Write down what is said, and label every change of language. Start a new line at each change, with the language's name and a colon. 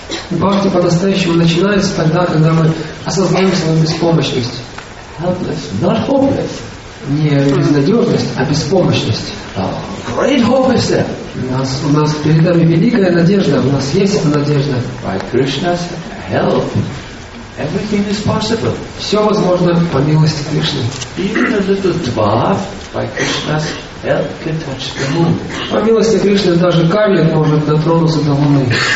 Russian: Бхакти по-настоящему начинается тогда, когда мы осознаем свою беспомощность.
English: Helpless, not hopeless.
Russian: Не безнадежность, а беспомощность.
English: Great hope is there.
Russian: У нас перед нами великая надежда, у нас есть эта надежда.
English: By Krishna's help, everything is possible.
Russian: Все возможно по милости Кришны.
English: Even a little dwarf, by Krishna's help, can touch the moon.
Russian: По милости Кришны даже камень может дотронуться до Луны.